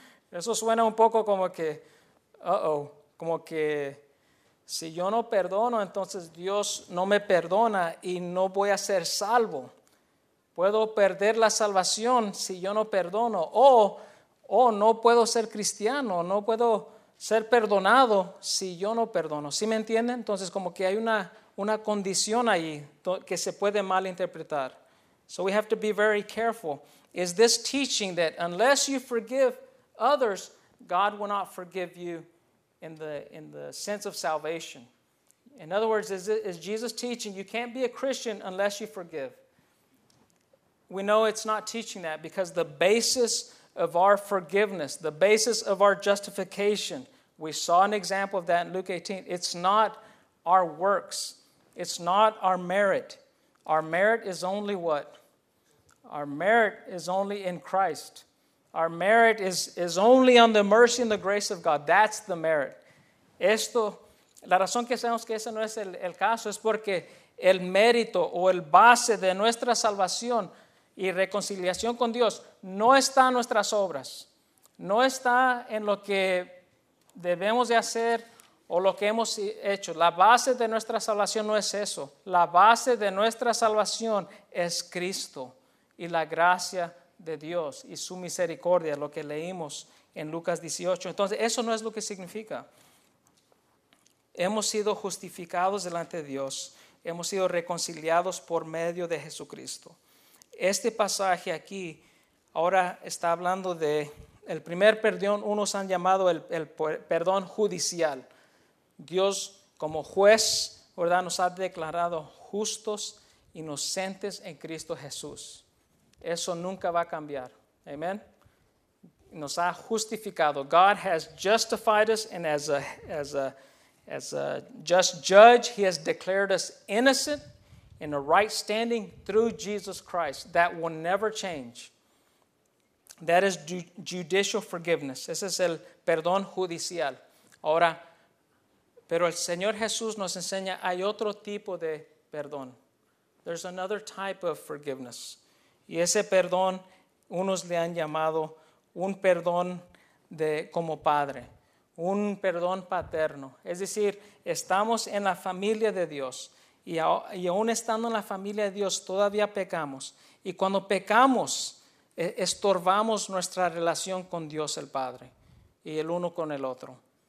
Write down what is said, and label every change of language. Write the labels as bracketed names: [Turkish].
[Spanish] Eso suena un poco como que, como que si yo no perdono, entonces Dios no me perdona y no voy a ser salvo. Puedo perder la salvación si yo no perdono. O no puedo ser cristiano, no puedo ser perdonado si yo no perdono. ¿Sí me entienden? Entonces como que hay una condición ahí que se puede malinterpretar. [English] So we have to be very careful. Is this teaching that unless you forgive others, God will not forgive you in the sense of salvation? In other words, is Jesus teaching you can't be a Christian unless you forgive? We know it's not teaching that, because the basis of our forgiveness, the basis of our justification, we saw an example of that in Luke 18. It's not our works. It's not our merit. Our merit is only what? Our merit is only in Christ. Our merit is only on the mercy and the grace of God. That's the merit. [Spanish] Esto, la razón que sabemos que ese no es el caso es porque el mérito o el base de nuestra salvación y reconciliación con Dios no está en nuestras obras. No está en lo que debemos de hacer o lo que hemos hecho. La base de nuestra salvación no es eso. La base de nuestra salvación es Cristo y la gracia de Dios y su misericordia, lo que leímos en Lucas 18. Entonces, eso no es lo que significa. Hemos sido justificados delante de Dios. Hemos sido reconciliados por medio de Jesucristo. Este pasaje aquí ahora está hablando de el primer perdón. Unos han llamado el perdón judicial. Dios, como juez, ¿verdad?, nos ha declarado justos, inocentes en Cristo Jesús. Eso nunca va a cambiar. Amén. Nos ha justificado. [English] God has justified us, and as a just judge, He has declared us innocent in a right standing through Jesus Christ. That will never change. That is judicial forgiveness. [Spanish] Ese es el perdón judicial. Ahora, pero el Señor Jesús nos enseña hay otro tipo de perdón. [English] There's another type of forgiveness. [Spanish] Y ese perdón, unos le han llamado un perdón de como padre, un perdón paterno. Es decir, estamos en la familia de Dios y aún estando en la familia de Dios todavía pecamos. Y cuando pecamos, estorbamos nuestra relación con Dios el Padre y el uno con el otro.